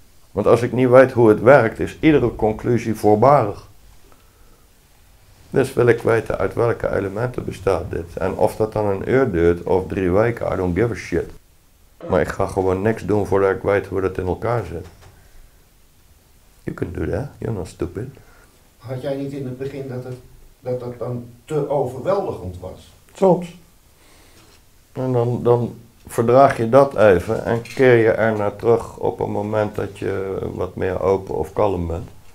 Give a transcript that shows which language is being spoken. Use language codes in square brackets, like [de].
[nl] Want als ik niet weet hoe het werkt, is iedere conclusie voorbarig. Dus wil ik weten uit welke elementen bestaat dit. En of dat dan een uur duurt of 3 weken, [en] I don't give a shit. [nl] Maar ik ga gewoon niks doen voordat ik weet hoe dat in elkaar zit. [en] You can do that, you're not stupid. [nl] Had jij niet in het begin dat dan te overweldigend was? Soms. En dan... Verdraag je dat even en keer je er naar terug op een moment dat je wat meer open of kalm bent.